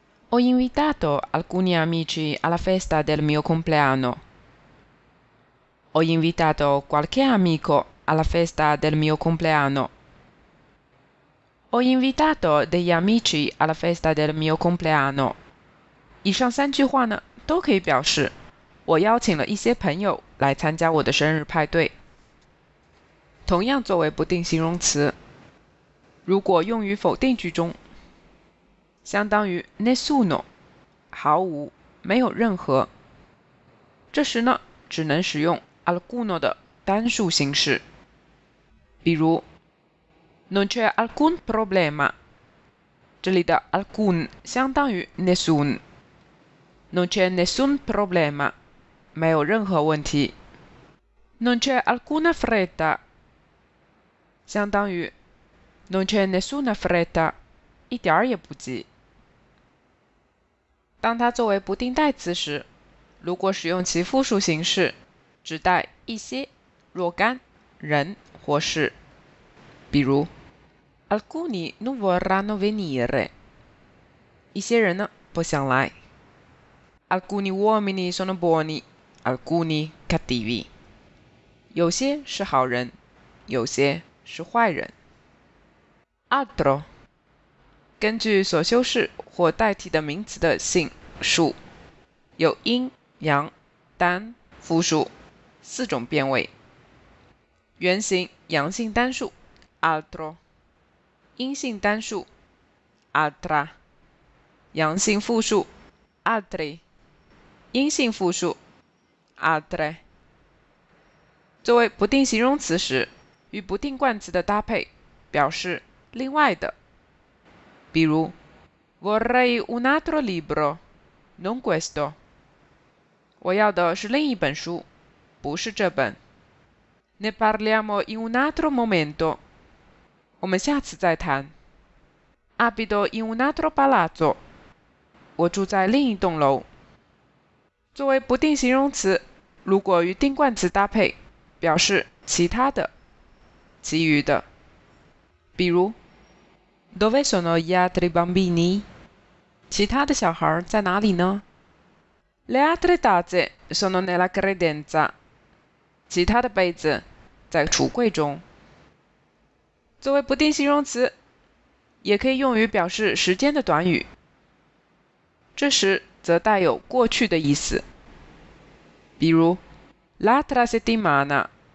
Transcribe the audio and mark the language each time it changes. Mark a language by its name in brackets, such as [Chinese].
[Italian] Ho invitato alcuni amici alla festa del mio compleanno。 Ho invitato qualche amico alla festa del mio compleanno。 Ho invitato degli amici alla festa del mio compleanno。 [Chinese] 以上三句话呢，都可以表示我邀请了一些朋友来参加我的生日派对。同样作为不定形容词，如果用于否定句中，相当于 nessuno， 毫无，没有任何。这时呢，只能使用 alcuno 的单数形式。比如 [Italian] Non c'è alcun problema。 [Chinese] 这里的 alcun 相当于 nessun。 [Italian] Non c'è nessun problema， [Chinese] 没有任何问题。 [Italian] Non c'è alcuna fretta， [Chinese] 相当于 [Italian] Non c'è nessuna fretta， [Chinese] 一点儿也不急。当它作为不定代词时，如果使用其复数形式，指代一些、若干、人或事。比如 [Italian] Alcuni non vorranno venire， [Chinese] 一些人呢不想来。 [Italian] Alcuni uomini sono buoni， alcuni cattivi， [Chinese] 有些是好人，有些是坏人。 [Italian] Altro， [Chinese] 根据所修饰或代替的名词的性、数，有阴、阳、单、复数四种变位，原型阳性单数 altro。阴性单数 altra， 阳性复数 altri， 阴性复数 altre。作为不定形容词时，与不定冠词的搭配表示另外的，比如 [Italian] vorrei un altro libro non questo， [Chinese] 我要的是另一本书，不是这本。 [Italian] ne parliamo in un altro momento， [Chinese] 我们下次再谈。 [Italian] abito in un altro palazzo， [Chinese] 我住在另一栋楼。作为不定形容词，如果与定冠词搭配，表示其他的、其余的，比如 [Italian] Dove sono gli altri bambini？ [Chinese] 其他的小孩在哪里呢？ [Italian] Le altre tazze sono nella credenza， [Chinese] 其他的杯子在橱柜中。作为不定形容词，也可以用于表示时间的短语，这时则带有过去的意思，比如 [Italian] L'altra settimana，